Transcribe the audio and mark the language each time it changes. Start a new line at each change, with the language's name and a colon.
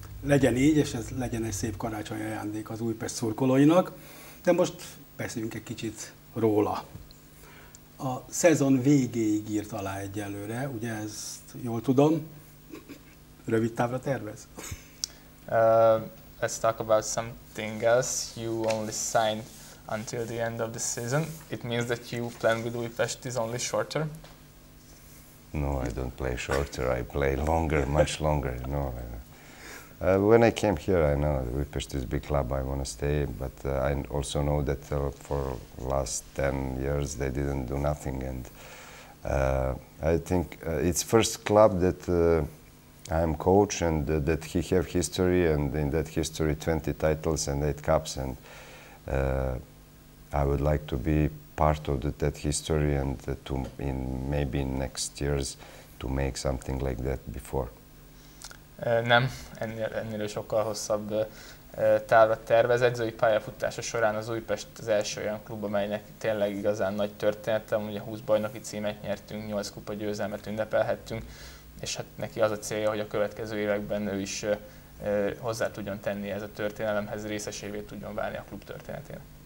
Hungarian: Legyen így, és ez legyen egy szép karácsony ajándék az Újpest szurkolóinak, de most beszéljünk egy kicsit róla. A szezon végéig írt alá egyelőre, ugye ezt jól tudom, rövid távra tervez?
English: Let's talk about something else. You only signed until the end of the season. It means that you plan with Újpest is only shorter. No, I don't play shorter, I play longer, much longer, no. When I came here, I know Újpest is a big club, I want to stay, but I also know that for last 10 years they didn't do nothing, and I think it's first club that I'm coach, and that he have history, and in that history 20 titles and 8 cups, and I would like to be part of that history, and to in maybe in next years to make something like that before.
Hungarian: Nem, ennél sokkal hosszabb távra tervez. Edzői pályafutása során az Újpest az első olyan klub, amelynek tényleg igazán nagy története. Ugye 20 bajnoki címet nyertünk, 8 kupa győzelmet ünnepelhettünk, és hát neki az a célja, hogy a következő években ő is hozzá tudjon tenni ez a történelemhez, részesévé tudjon válni a klub történetének.